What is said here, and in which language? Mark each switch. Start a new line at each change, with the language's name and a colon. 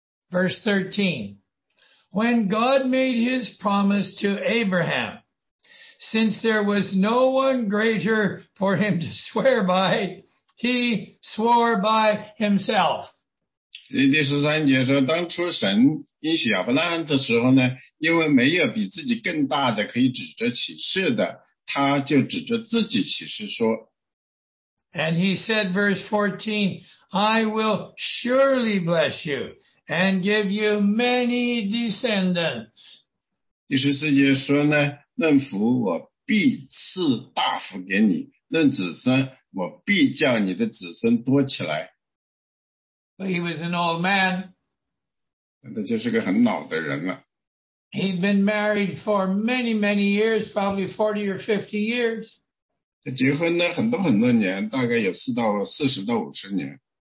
English: Verse 13, When God made his promise to Abraham, since there was no one greater for him to swear by, he swore by himself.
Chinese: 第13节说, 当初神应许亚伯拉罕的时候呢, 因为没有比自己更大的可以指着起誓的, 他就指着自己起誓说,
English: And he said, verse 14, I will surely bless you and give you many descendants.
Chinese: 第14节说呢, 论福我必赐大福给你, 论子孙, 我必叫你的子孙多起来。
English: But he was an old man.
Chinese: 那就是个很老的人了。
English: He'd been married for many, many years, probably 40 or 50 years.
Chinese: 结婚呢,很多很多年, 大概有40到50年。